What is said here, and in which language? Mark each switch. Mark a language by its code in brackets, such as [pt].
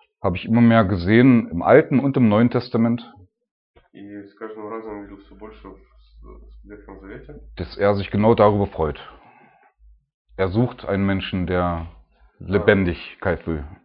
[de] habe ich immer mehr gesehen im Alten und im Neuen Testament, [ru] и с каждым разом видел все больше в Ветхом Завете, [de] dass er sich genau darüber freut. Er sucht einen Menschen, der Lebendigkeit will.